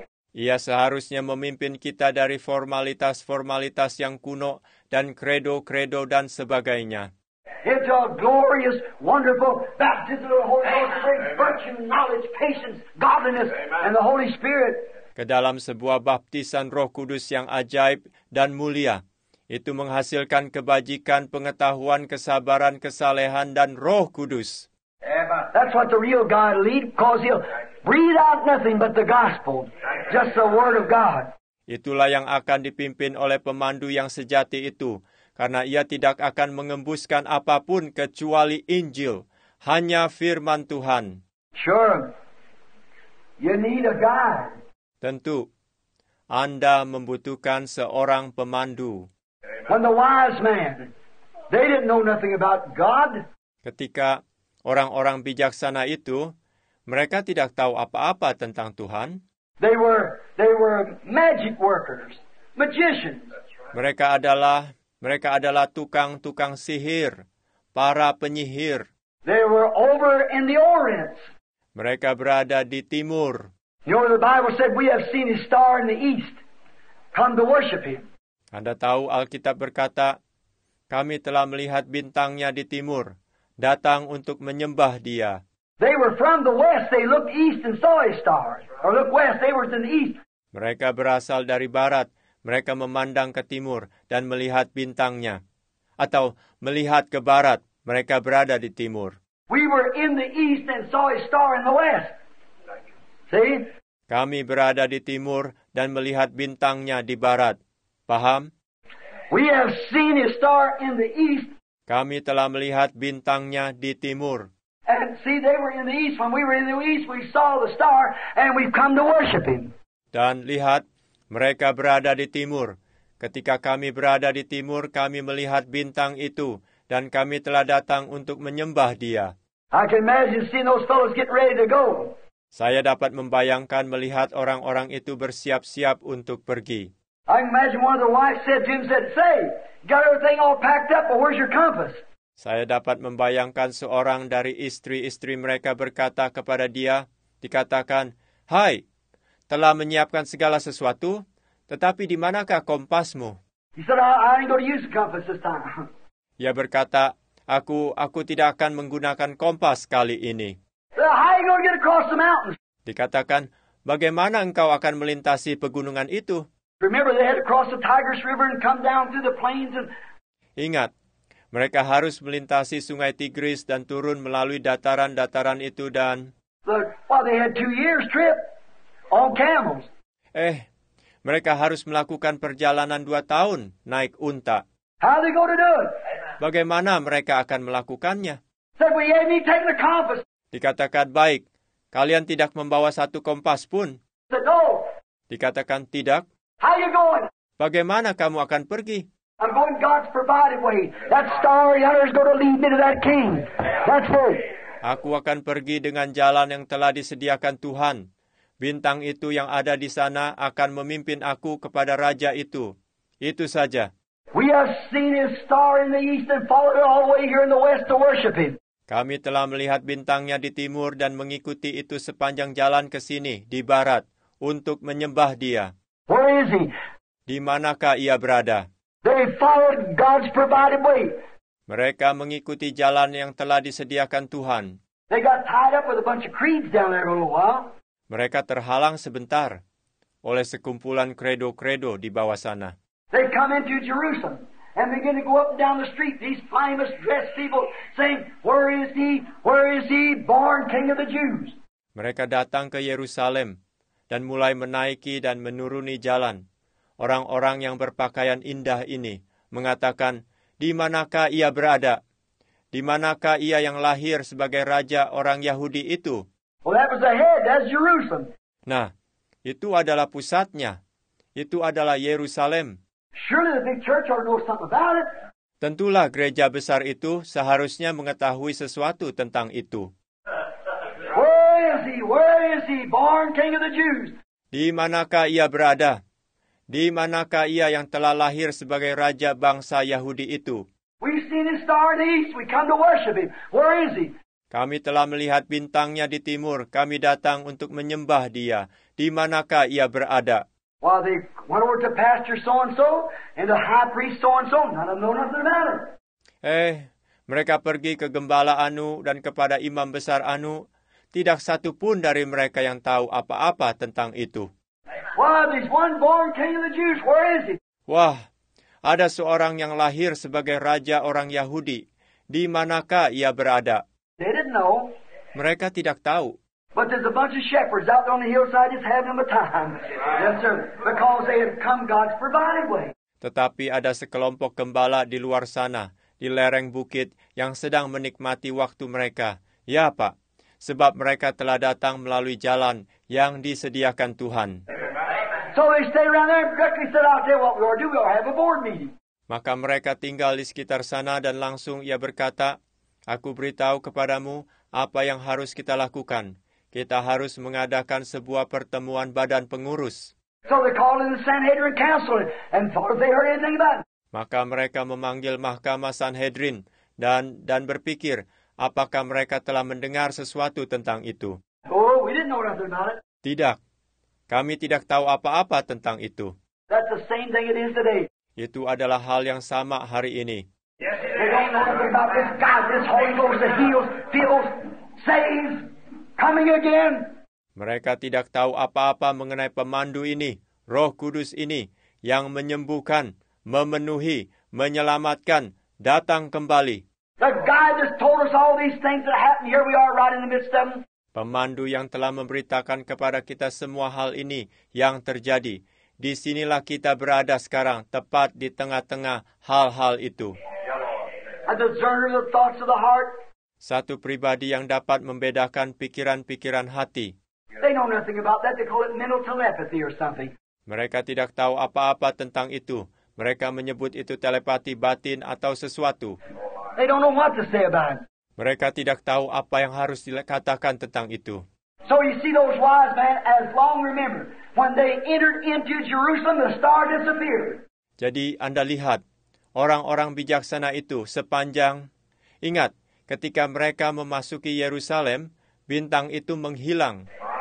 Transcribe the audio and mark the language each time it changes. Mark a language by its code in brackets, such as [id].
[id] Ia seharusnya memimpin kita dari formalitas-formalitas yang kuno dan kredo-kredo dan sebagainya. [en] It's a glorious, wonderful baptism of the Holy Ghost, great virtue, knowledge, patience, godliness, and the Holy Spirit. [id] Ke dalam sebuah baptisan Roh Kudus yang ajaib dan mulia. Itu menghasilkan kebajikan, pengetahuan, kesabaran, kesalehan, dan Roh Kudus. [en] That's what the real God lead, cause he'll breathe out nothing but the gospel, just the word of God. [id] Itulah yang akan dipimpin oleh pemandu yang sejati itu, karena ia tidak akan mengembuskan apapun kecuali Injil, hanya firman Tuhan. [en] Sure, you need a guide. [id] Tentu, Anda membutuhkan seorang pemandu. [en] When the wise man, they didn't know nothing about God. [id] Ketika orang-orang bijaksana itu, mereka tidak tahu apa-apa tentang Tuhan. [en] They were magic workers, magicians. [id] Mereka adalah tukang-tukang sihir, para penyihir. [en] They were over in the Orient. [id] Mereka berada di timur. [en] You know, the Bible said we have seen his star in the east. Come to worship him. [id] Anda tahu Alkitab berkata, kami telah melihat bintangnya di timur, datang untuk menyembah dia. [en] They were from the west, they looked east and saw his star. Or looked west, they were in the east. [id] Mereka berasal dari barat, mereka memandang ke timur dan melihat bintangnya. Atau melihat ke barat, mereka berada di timur. [en] We were in the east and saw his star in the west. See? [id] Kami berada di timur dan melihat bintangnya di barat. Paham? [en] We have seen his star in the east. [id] Kami telah melihat bintangnya di timur. [en] And see, they were in the east. When we were in the east, we saw the star and we've come to worship him. [id] Dan lihat, mereka berada di timur. Ketika kami berada di timur, kami melihat bintang itu dan kami telah datang untuk menyembah dia. [en] I can imagine seeing those fellows getting ready to go. [id] Saya dapat membayangkan melihat orang-orang itu bersiap-siap untuk pergi. [en] I can imagine one of the wives said, Jim said, say, got everything all packed up, but where's your compass? [id] Saya dapat membayangkan seorang dari istri-istri mereka berkata kepada dia, dikatakan, hai, telah menyiapkan segala sesuatu, tetapi di manakah kompasmu? [en] He said, I ain't gonna use the compass this time. [id] Ia berkata, aku tidak akan menggunakan kompas kali ini. [en] How you gonna get across the mountains? [id] Dikatakan, bagaimana engkau akan melintasi pegunungan itu? [en] Remember, they had to cross the Tigris River and come down through the plains. [id] Ingat, mereka harus melintasi Sungai Tigris dan turun melalui dataran-dataran itu dan. [en] Well, they had 2 years trip on camels. [id] Mereka harus melakukan perjalanan 2 tahun naik unta. [en] How are they going to do it? [id] Bagaimana mereka akan melakukannya? [en] Said, well, you need to take the compass. [id] Dikatakan, baik, kalian tidak membawa 1 kompas pun. [en] Said, no. [id] Dikatakan, tidak. [en] How you going? [id] Bagaimana kamu akan pergi? [en] I'm going God's provided way. That star yonder is going to lead me to that king. That's right. [id] Aku akan pergi dengan jalan yang telah disediakan Tuhan. Bintang itu yang ada di sana akan memimpin aku kepada raja itu. Itu saja. [en] We have seen his star in the east and followed it all the way here in the west to worship him. [id] Kami telah melihat bintangnya di timur dan mengikuti itu sepanjang jalan ke sini, di barat, untuk menyembah dia. [en] Where is he? [id] Di manakah ia berada? [en] They followed God's provided way. [id] Mereka mengikuti jalan yang telah disediakan Tuhan. [en] They got tied up with a bunch of creeds down there a little while. [id] Mereka terhalang sebentar oleh sekumpulan kredo-kredo di bawah sana. [en] They come into Jerusalem and begin to go up and down the street, these famous dressed people saying, where is he? Where is he? Born king of the Jews. [id] Mereka datang ke Yerusalem dan mulai menaiki dan menuruni jalan. Orang-orang yang berpakaian indah ini mengatakan, di manakah ia berada? Di manakah ia yang lahir sebagai raja orang Yahudi itu? [en] Well, that was the head. That's Jerusalem. [id] Nah, itu adalah pusatnya. Itu adalah Yerusalem. [en] Surely the big church ought to know something about it. [id] Tentulah gereja besar itu seharusnya mengetahui sesuatu tentang itu. [en] Where is he? Where is he? Born king of the Jews. [id] Di manakah ia berada? Di manakah ia yang telah lahir sebagai raja bangsa Yahudi itu? [en] We've seen his star in the east. We come to worship him. Where is he? [id] Kami telah melihat bintangnya di timur. Kami datang untuk menyembah dia. Di manakah ia berada? [en] While they went over to pastor so-and-so and the high priest so-and-so, none of them know nothing about it. [id] Mereka pergi ke gembala Anu dan kepada imam besar Anu. Tidak satu pun dari mereka yang tahu apa-apa tentang itu. [en] Wow, there's one born king of the Jews. Where is he? [id] Wah, ada seorang yang lahir sebagai raja orang Yahudi. Di manakah ia berada? [en] They didn't know. [id] Mereka tidak tahu. [en] But there's a bunch of shepherds out there on the hillside just having a time. Yes, sir. Because they have come God's provided way. [id] Tetapi ada sekelompok gembala di luar sana, di lereng bukit, yang sedang menikmati waktu mereka. Ya, Pak. Sebab mereka telah datang melalui jalan yang disediakan Tuhan. [en] So they stay around there and directly said, I'll tell you what we ought to do. We ought to have a board meeting. [id] Maka mereka tinggal di sekitar sana dan langsung ia berkata, aku beritahu kepadamu apa yang harus kita lakukan. Kita harus mengadakan sebuah pertemuan badan pengurus. [en] So they called in the Sanhedrin Council and thought if they heard anything about it. [id] Maka mereka memanggil Mahkamah Sanhedrin dan berpikir apakah mereka telah mendengar sesuatu tentang itu. [en] Oh, we didn't know nothing about it. [id] Tidak. Kami tidak tahu apa-apa tentang itu. [en] That's the same thing it is today. [id] Itu adalah hal yang sama hari ini. [en] They don't know anything about this God, this Holy Ghost that heals, feels, saves, coming again. [id] Mereka tidak tahu apa-apa mengenai pemandu ini, Roh Kudus ini, yang menyembuhkan, memenuhi, menyelamatkan, datang kembali. [en] The God that told us all these things that happened, here we are right in the midst of them. [id] Pemandu yang telah memberitakan kepada kita semua hal ini yang terjadi. Di sinilah kita berada sekarang, tepat di tengah-tengah hal-hal itu. [en] A discerner of the thoughts of the heart. [id] Satu pribadi yang dapat membedakan pikiran-pikiran hati. [en] They know nothing about that. They call it mental telepathy or something. [id] Mereka tidak tahu apa-apa tentang itu. Mereka menyebut itu telepati batin atau sesuatu. [en] They don't know what to say about it. [id] Mereka tidak tahu apa yang harus dikatakan tentang itu. [en] So you see those wise men, as long remember, when they entered into Jerusalem, the star disappeared. [id] Jadi Anda lihat, orang-orang bijaksana itu sepanjang, ingat, ketika mereka memasuki Yerusalem, bintang itu menghilang.